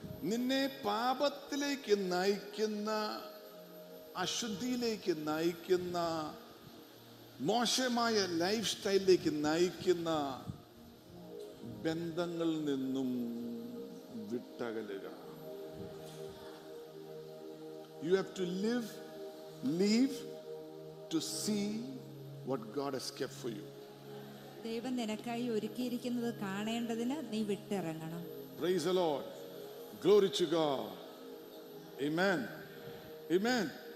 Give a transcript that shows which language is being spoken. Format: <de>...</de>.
<ml>നിന്നെ പാപത്തിലേക്ക് നയിക്കുന്ന, അശുദ്ധിയിലേക്ക് നയിക്കുന്ന, മോശമായ ലൈഫ് സ്റ്റൈലിലേക്ക് നയിക്കുന്ന ബന്ധങ്ങളിൽ നിന്നും വിട്ടകലുക.</ml> <en>You have to leave to see what God has kept for you.</en> <ml>ദൈവം നിനക്കായി ഒരുക്കിയിരിക്കുന്നത് കാണേണ്ടതിന് നീ വിട്ടിറങ്ങണം.</ml> <en>Praise the Lord. Glory to God. Amen. Amen.</en>